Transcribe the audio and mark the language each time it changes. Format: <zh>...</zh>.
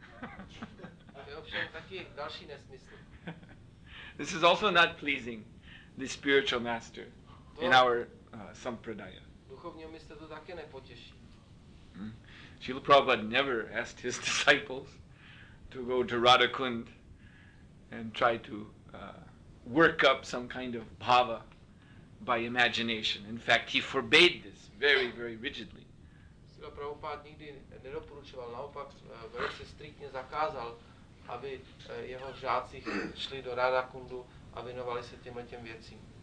<cs>To je ovšem taky další nesmysl.</cs> <en>This is also not pleasing the spiritual master to in our sampradaya.</en> <cs>Duchovního mistra to také nepotěší.</cs> <en>Srila Prabhupada never asked his disciples to go to Radhakund and try to work up some kind of bhava by imagination. In fact, he forbade this very, very rigidly.</en> <cs>Srila Prabhupada nikdy nedoporučoval, naopak velice striktně zakázal, aby jeho žáci šli do Radhakundu a věnovali se těmhle těm věcím.</cs>